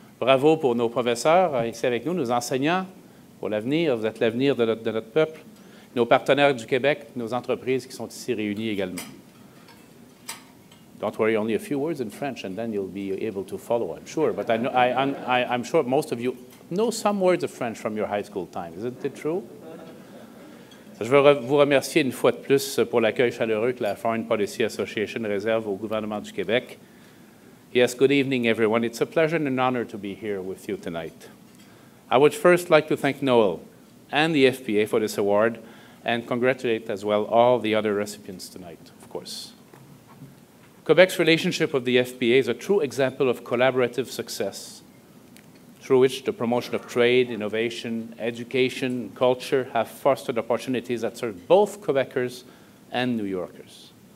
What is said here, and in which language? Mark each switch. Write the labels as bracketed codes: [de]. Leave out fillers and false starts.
[fr] Bravo pour nos professeurs ici avec nous, nos enseignants pour l'avenir. Vous êtes l'avenir de notre peuple. Nos partenaires du Québec, nos entreprises qui sont ici réunies également. [en] Don't worry, only a few words in French, and then you'll be able to follow, I'm sure. But I'm sure most of you know some words of French from your high school time. Isn't it true? [fr] Je veux vous remercier une fois de plus pour l'accueil chaleureux que la Foreign Policy Association réserve au gouvernement du Québec. [en] Yes, good evening, everyone. It's a pleasure and an honor to be here with you tonight. I would first like to thank Noel and the FPA for this award and congratulate as well all the other recipients tonight, of course. Quebec's relationship with the FPA is a true example of collaborative success through which the promotion of trade, innovation, education, culture have fostered opportunities that serve both Quebecers and New Yorkers.